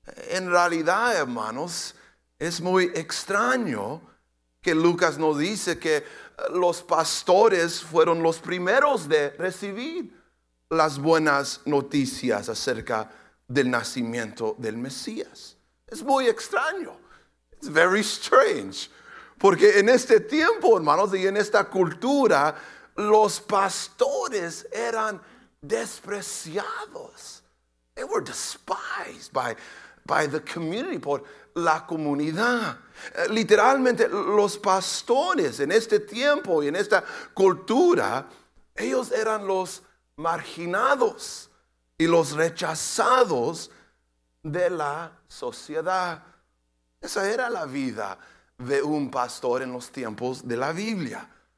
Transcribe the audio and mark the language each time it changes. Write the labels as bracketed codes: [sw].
[es] En realidad, hermanos, es muy extraño que Lucas nos dice que los pastores fueron los primeros de recibir las buenas noticias acerca del nacimiento del Mesías. Es muy extraño. [en] It's very strange. [es] Porque en este tiempo, hermanos, y en esta cultura, los pastores eran despreciados. [en] They were despised by the community, [es] por la comunidad. Literalmente, los pastores en este tiempo y en esta cultura, ellos eran los marginados y los rechazados de la sociedad. Esa era la vida de un pastor en los tiempos de la Biblia.